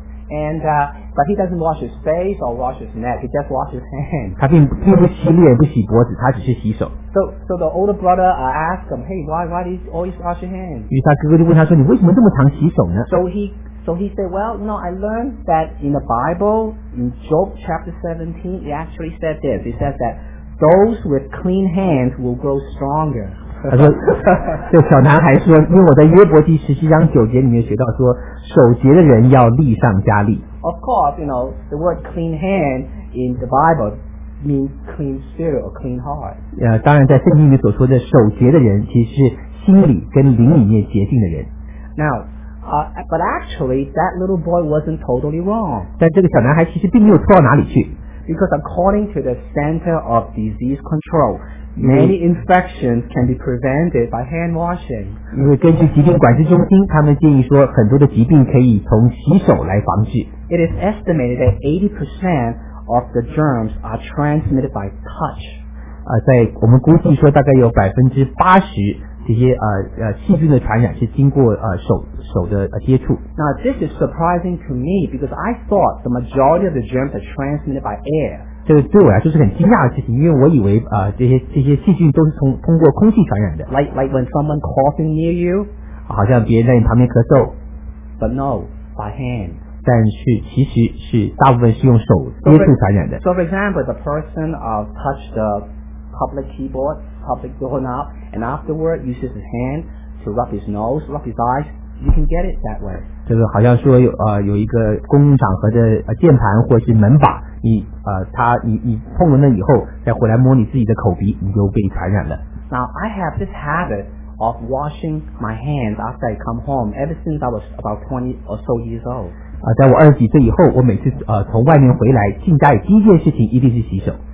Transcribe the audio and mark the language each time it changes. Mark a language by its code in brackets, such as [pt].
[en] And but he doesn't wash his face or wash his neck. He just washes his hand. [zh] 他并不洗脸，不洗脖子，他只是洗手。 [en] So the older brother asked him, "Hey, why do you always wash your hands?" [zh] 于是他哥哥就问他说，你为什么这么常洗手呢？ [en] So he said, "Well, you know, I learned that in the Bible, in Job chapter 17, it actually said this. It says that those with clean hands will grow stronger." [zh] 他说，这小男孩说，因为我在约伯记十七章九节里面学到说，守节的人要力上加力。 [en] Of course, you know, the word clean hand in the Bible means clean spirit or clean heart. [zh] 当然在圣经里所说的守节的人其实是心里跟灵里面洁净的人。 [en] Now, but actually, that little boy wasn't totally wrong. [zh] 但这个小男孩其实并没有错到哪里去。 [en] Because according to the Center of Disease Control, many infections can be prevented by hand washing. [zh] 因为根据疾病管制中心，他们建议说很多的疾病可以从洗手来防治。 [en] It is estimated that 80% of the germs are transmitted by touch. [zh] 在我们估计说大概有80% 这些细菌的传染是经过手的接触。 [en] Now this is surprising to me because I thought the majority of the germs are transmitted by air. [zh] 这个对我来说是很惊讶的事情，因为我以为这些细菌都是通过空气传染的。 [en] Like when someone coughing near you. [zh] 好像别人在你旁边咳嗽。 [en] But no, by hand. [zh] 但是其实是大部分是用手接触传染的。 [en] So for example, the person touched the public keyboard, public doorknob, and afterward uses his hand to rub his nose, rub his eyes. You can get it that way. [zh] 这个好像说有一个公共场合的键盘或是门把，你碰了那以后，再回来摸你自己的口鼻，你就被传染了。 [en] Now I have this habit. Of washing my hands after I come home, ever since I was about 20 or so years old. [zh] 在我二十几岁以后，我每次从外面回来，进家里第一件事情一定是洗手。